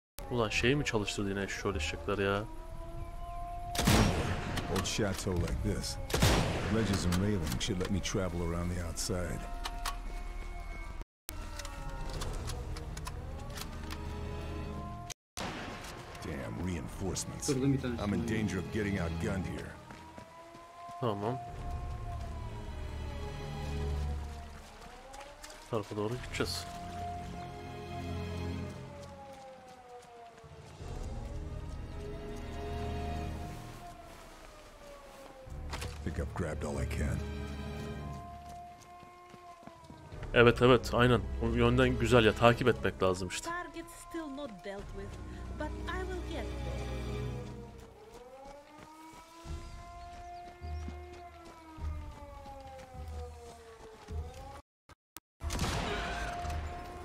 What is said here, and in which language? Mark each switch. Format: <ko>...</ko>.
<tr>Ulan şeyi mi çalıştırdı yine şöyle ışıkları ya?</tr> <en>Old chateau like this. Ledges and railing should let me travel around the outside. Damn reinforcements. I'm in danger of getting outgunned here.</en> <tr>Tamam. Tarafa doğru gideceğiz.</tr> <en>Grabbed all I can.</en> <tr>Evet evet aynen. O yönden güzel ya, takip etmek lazım işte.</tr> <en>Target still not dealt with, but I will get there.</en>